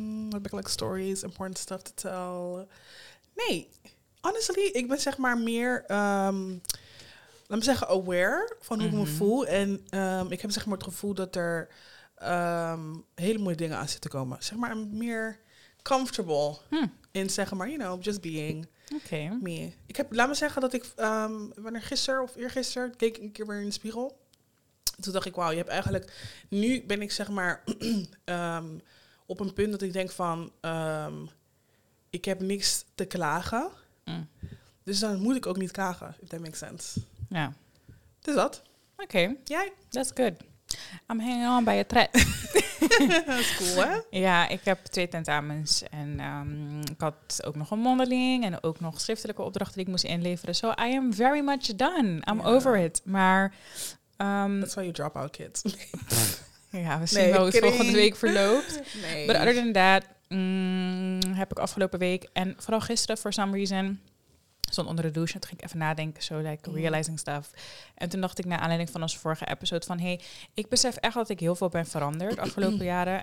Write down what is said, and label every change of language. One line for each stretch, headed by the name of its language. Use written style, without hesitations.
English: What big like stories, important stuff to tell.
Dutch: Nee.
English: Honestly,
Dutch: ik ben zeg maar meer... laat me zeggen aware van hoe ik me voel. En ik heb zeg maar het gevoel dat er hele mooie dingen aan zitten komen. Zeg maar meer...
English: comfortable in,
Dutch: zeg maar,
English: you know, just being me.
Dutch: Ik heb, laat me zeggen dat ik, wanneer gisteren of eergisteren, keek ik een keer weer in de spiegel. Toen dacht ik, wauw, je hebt eigenlijk, nu ben ik, zeg maar, op een punt dat ik denk van, ik heb niks te klagen. Dus dan moet ik ook niet klagen,
English: if that makes sense.
Dutch: Ja.
English: Yeah.
Dutch: Dus dat. Oké.
English: Okay.
Dutch: Jij?
English: That's good. I'm hanging on by a thread.
Dutch: Dat is cool, hè? Ja, ik heb 2 tentamens. En ik had ook nog een mondeling. En ook nog schriftelijke opdrachten die ik moest inleveren.
English: So I am very much done. I'm over it.
Dutch: Maar
English: That's why you drop out, kids.
Dutch: Ja, we zien wel hoe het volgende week verloopt. Nee.
English: But other than that,
Dutch: heb ik afgelopen week. En vooral gisteren,
English: for some reason...
Dutch: stond onder de douche en toen ging ik even nadenken, zo
English: like realizing stuff.
Dutch: En toen dacht ik, naar aanleiding van onze vorige episode, van hey, ik besef echt dat ik heel veel ben veranderd afgelopen jaren.